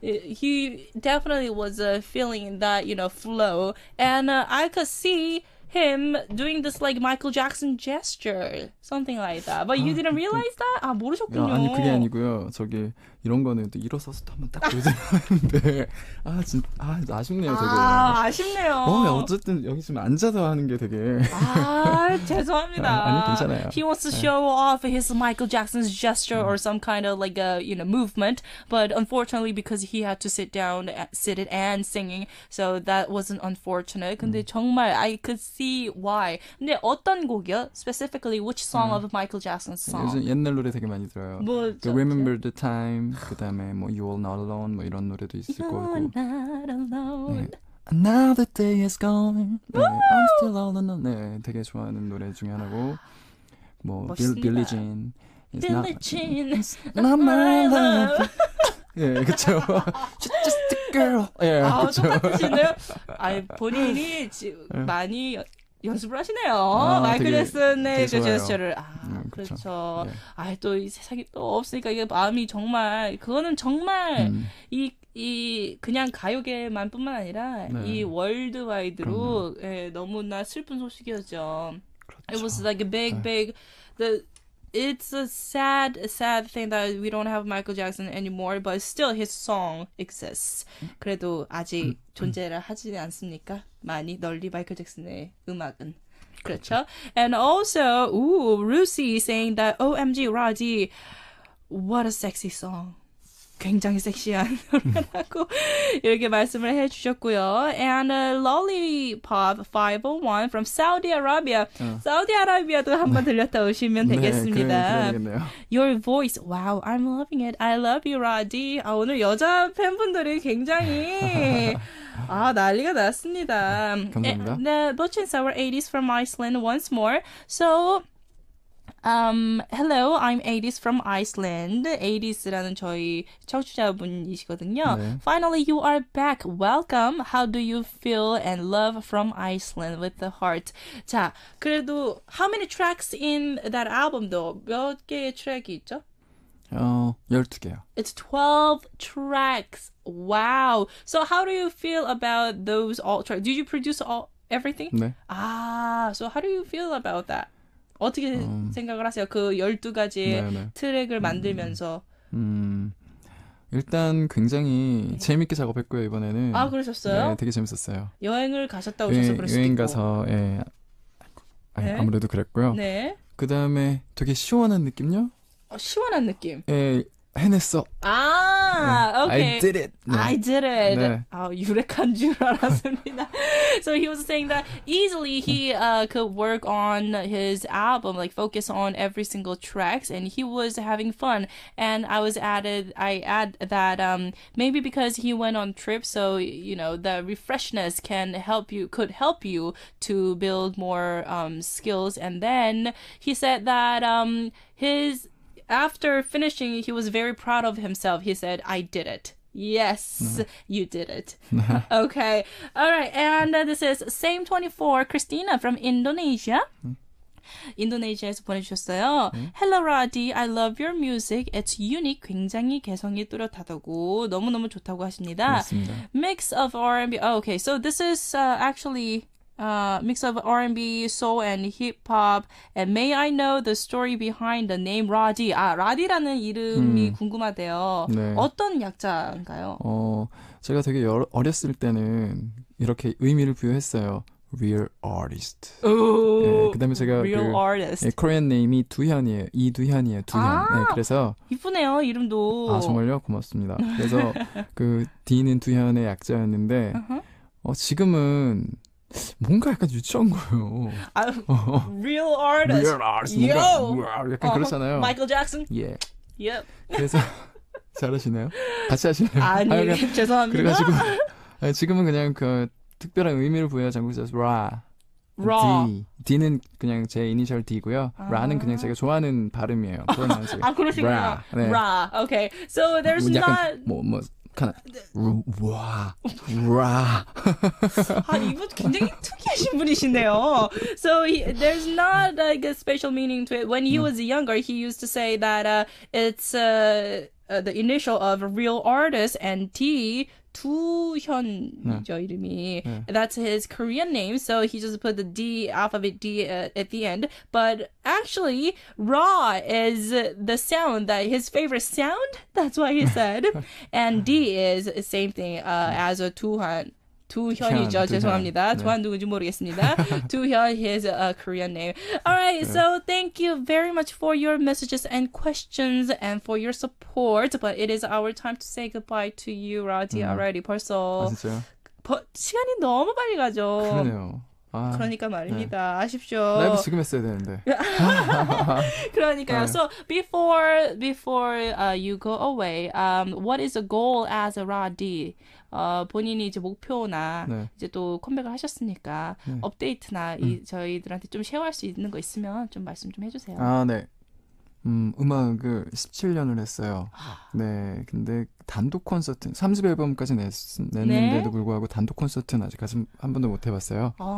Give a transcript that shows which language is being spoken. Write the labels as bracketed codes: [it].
[en] he definitely was feeling that, you know, flow. And I could see him doing this like Michael Jackson gesture, something like that. But you 아, didn't realize 그, that? 아, [ko] 모르셨군요. 아니, 그게 아니고요. 저기 이런 거는 또 일어서서 한번 딱 보여드렸는데 아, 진짜 아, 아쉽네요, 되게. 아, 아쉽네요. 어, 야, 어쨌든 여기 좀 앉아서 하는 게 되게 아, 죄송합니다. 아, 아니, 괜찮아요. [en] He wants to show 네. off his Michael Jackson's gesture or some kind of like a, you know, movement, but unfortunately because he had to sit down sit it and singing, so that wasn't unfortunate. [ko] 근데 정말 [en] I could see why. [ko] 근데 어떤 곡이요? [en] Specifically which song of Michael Jackson's song? [ko] 요즘 옛날 노래 되게 많이 들어요. 뭐, the Remember the Time 그다음에 뭐 You're Not Alone 뭐 이런 노래도 있을 [en] You're [ko] 거고. [en] Not alone. 네. Another day is going. [ko] 네. [en] I'm still all alone. [ko] 네, 되게 좋아하는 노래 중에 하나고. 뭐 Billie Jean. [en] Billie Jean. It's not my love. [ko] 예, 그렇죠. [en] She's just a girl. 예, [ko] 아, 똑같으시네요. 아, 본인이 많이 연습을 하시네요. 아, 마이클 잭슨의 그 제스처를. 아, 그렇죠. 그렇죠. 예. 아, 또 이 세상이 또 없으니까 이게 마음이 정말 그거는 정말 이 그냥 가요계만 뿐만 아니라 네. 이 월드와이드로 예, 너무나 슬픈 소식이었죠. 그렇죠. [en] It was like a big, 네. big the It's a sad, sad thing that we don't have Michael Jackson anymore, but still his song exists. [ko] 그래도 아직 존재를 하지 않습니까? 많이 널리 마이클 잭슨의 음악은. 그렇죠? 그렇죠. [en] And also, Rusi saying that, OMG, Ra.D, what a sexy song. [ko] 굉장히 섹시한 노래라고 이렇게 말씀을 해주셨고요. [en] And Lollipop 501 from Saudi Arabia. [ko] 어. Saudi Arabia도 한번 네. 들렸다 오시면 되겠습니다. 네, [en] Your voice, wow, I'm loving it. I love you, Ra.D. [ko] 아, 오늘 여자 팬분들이 굉장히 아 난리가 났습니다. 감사합니다. [en] And, Butch and Sour 80s from Iceland once more. So Hello, I'm Adis from Iceland. [ko] Adis라는 저희 청취자분이시거든요. [en] 네. Finally, you are back. Welcome. How do you feel and love from Iceland with the heart? [ko] 자, 그래도 [en] how many tracks in that album, though? [ko] 몇 개의 트랙이 있죠? 12개요. [en] It's 12 tracks. Wow. So how do you feel about those all tracks? Did you produce all everything? [ko] 네. [en] Ah, so how do you feel about that? [ko] 어떻게 생각을 하세요? 그 12가지 트랙을 만들면서. 일단 굉장히 재밌게 작업했고요, 이번에는. 아, 그러셨어요? 네, 되게 재밌었어요. 여행을 가셨다 오셔서 그랬을 여행 가서, 예. 아니, 네? 아무래도 그랬고요. 네. 그다음에 되게 시원한 느낌요? 시원한 느낌. 예, 해냈어. 아, 네. okay. [en] I did it. 네. I did it. 네. [ko] 아, 유력한 줄 알았습니다. [en] So he was saying that easily he could work on his album, like focus on every single tracks, and he was having fun. And I was added, I add that maybe because he went on trip, so you know the refreshness can help you, could help you to build more skills. And then he said that his after finishing, he was very proud of himself. He said, I did it. Yes, you did it. Okay. All right. And this is Same24 Christina from Indonesia. [ko] 인도네시아에서 보내주셨어요. [en] 네. Hello, Ra.D. I love your music. It's unique. [ko] 굉장히 개성이 뚜렷하다고 너무너무 좋다고 하십니다. 그렇습니다. [en] Mix of R&B. Oh, okay. So this is actually... mix of R&B, soul, and hip-hop. And may I know the story behind the name Ra.D. [ko] 아, Ra.D라는 이름이 궁금하대요. 네. 어떤 약자인가요? 제가 되게 어렸을 때는 이렇게 의미를 부여했어요. [en] Real artist. [ko] 오, 네, 그다음에 제가 [en] real [ko] 그, [en] artist. [ko] 네, 코리안 네임이 두현이에요. 이두현이에요. 두현. 아, 네, 그래서 이쁘네요. 이름도. 아, 정말요? 고맙습니다. 그래서 그 D는 두현의 약자였는데 지금은 뭔가 약간 유치한 거예요. [en] Real artist. Real artist. [ko] 뭔가 약간 그렇잖아요. [en] Michael Jackson. [ko] 예. [en] Yep. [ko] 그래서 잘하시나요? 같이 하시나요? 아니, 아니 그냥, 죄송합니다. 그래가지고 지금은 그냥 그 특별한 의미를 부여한 장국에서 Ra. Ra. D. D는 그냥 제 이니셜 D고요. 아. Ra는 그냥 제가 좋아하는 발음이에요. 아, 그러시군요. Ra. 네. [en] Ra. Okay. So there's 뭐, [ko] 약간, [en] not. [ko] 뭐. 와, 와. 아, 이분 굉장히 특이하신 분이신데요. [en] So he, there's not like a special meaning to it. When he was younger, he used to say that it's the initial of real artist and T [ko] 두현이죠 네. 이름이. 네. [en] That's his Korean name. So he just put the D alphabet D at the end. But actually, Ra is the sound that his favorite sound. That's what he said. And D is the same thing as a 두현. [ko] 두현이죠. 죄송합니다. 두현 네. 누군지 모르겠습니다. 두현 [en] is a Korean name. All right. 네. So thank you very much for your messages and questions and for your support. But it is our time to say goodbye to you, Ra.D. Already [ko] 벌써. 아, 진짜요? 시간이 너무 빨리 가죠. 그러네요. 아, 그러니까 말입니다. 네. 아쉽죠. 라이브 지금 했어야 되는데. 그러니까요. 네. [en] So before you go away, what is the goal as a Ra.D? [ko] 본인이 이제 목표나 네. 이제 또 컴백을 하셨으니까 네. 업데이트나 이 저희들한테 좀 쉐어할 수 있는 거 있으면 좀 말씀 좀 해주세요. 아, 네. 음악을 17년을 했어요. 네. 근데 단독 콘서트 3집 앨범까지 냈는데도 네? 불구하고 단독 콘서트는 아직 한 번도 못 해봤어요.